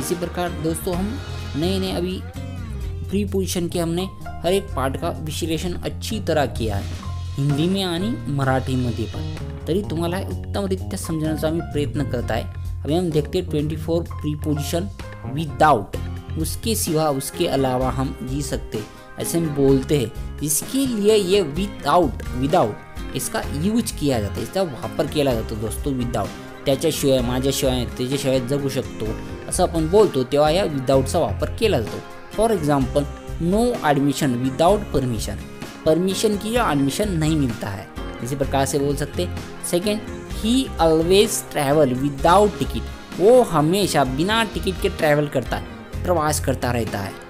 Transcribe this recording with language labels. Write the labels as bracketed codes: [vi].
[hi] इसी प्रकार दोस्तों हम नए नए अभी प्रीपोजिशन के हमने हर एक पार्ट का विश्लेषण अच्छी तरह किया है, हिंदी में [mr] आनी मराठी मध्ये पण, तरी तुम्हाला उत्तम रीत्या समजण्याचा मी प्रयत्न करत आहे। [hi] अभी हम देखते 24 प्रीपोजिशन विदाउट, उसके सिवा उसके अलावा हम जी सकते ऐसे हम बोलते हैं, जिसके लिए ये विदाउट विदाउट इसका यूज किया जाता है, इसका वापर किया जाता है दोस्तों। [mr] विदाउट त्याच्याशिवाय माझ्याशिवाय त्याच्याशिवाय जगू शकतो असं आपण बोलतो तेव्हा या विदाउटचा वापर केला जातो। [hi] For example [en] no admission without permission, [hi] permission की जो ॲडमिशन नाही मिळता है, इसी प्रकार से बोल सकते। सेकंड [en] he always travel without ticket, [hi] वो हमेशा बिना टिकट के ट्रैवल करता है, प्रवास करता रहता है।